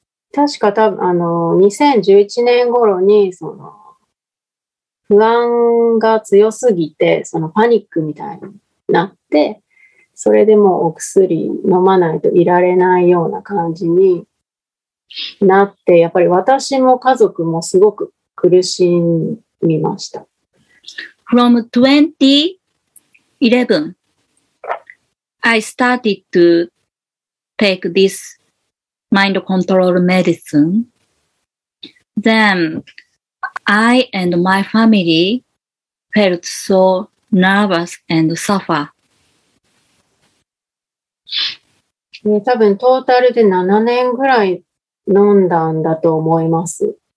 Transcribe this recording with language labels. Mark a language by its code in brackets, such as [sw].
[ja] 確か多分あの2011年頃にその不安が強すぎてそのパニックみたいになってそれでもお薬飲まないといられないような感じになってやっぱり私も家族もすごく苦しみました。 [en] From 2011, I started to take this mind control medicine. Then I and my family felt so nervous and suffer. [ja] 多分トータルで7年ぐらい飲んだんだと思います。